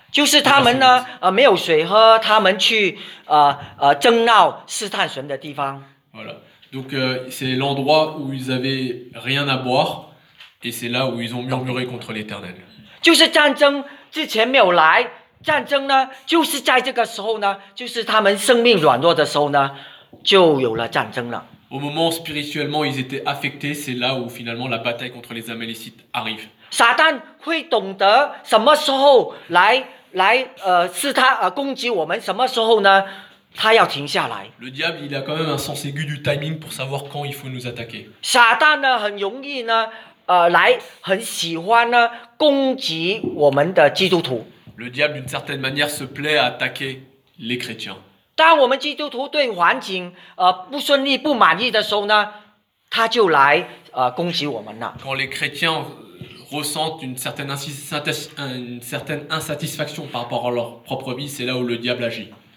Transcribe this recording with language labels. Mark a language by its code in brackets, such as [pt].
[zh] 就是他们呢, 没有水喝, 他们去, 争闹, 试探神的地方. [fr] Voilà. Donc c'est l'endroit où ils avaient rien à boire et c'est là où ils ont murmuré contre l'Éternel. [zh] 就是战争之前没有来, 战争呢, 就是在这个时候呢, 就是他们生命软弱的时候呢, 就有了战争了. [fr] Au moment où spirituellement ils étaient affectés, c'est là où finalement la bataille contre les Amalécites arrive. Satan Le diable, il a quand même un sens aigu du timing pour savoir quand il faut nous attaquer. Le diable, d'une certaine manière, se plaît à attaquer les chrétiens. [zh] 当我们基督徒对环境, 不顺利, 不满意的时候呢, 他就来, 攻击我们了。 [fr] Quand les chrétiens ressentent une certaine insatisfaction par rapport à leur propre vie, c'est là où le diable agit.